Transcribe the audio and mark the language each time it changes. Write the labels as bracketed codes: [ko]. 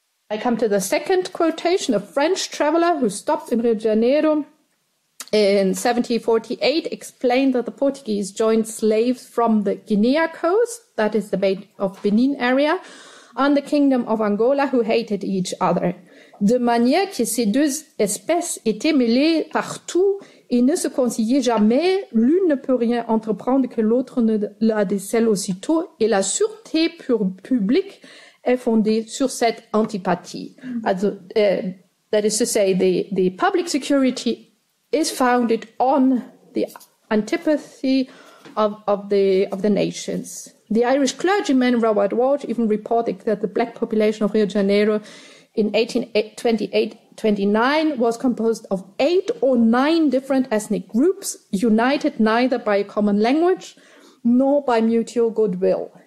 [en] I come to the second quotation. A French traveler who stopped in Rio de Janeiro in 1748 explained that the Portuguese joined slaves from the Guinea coast, that is the Bay of Benin area, and the Kingdom of Angola, who hated each other. [fr] De manière que ces deux espèces étaient mêlées partout et ne se conseillaient jamais, l'une ne peut rien entreprendre que l'autre ne la décèle aussitôt, et la sûreté publique est fondée sur cette antipathie. [en] That is to say, the public security is founded on the antipathy of the nations. The Irish clergyman Robert Walsh even reported that the black population of Rio de Janeiro in 1828-29 was composed of 8 or 9 different ethnic groups, united neither by a common language nor by mutual goodwill.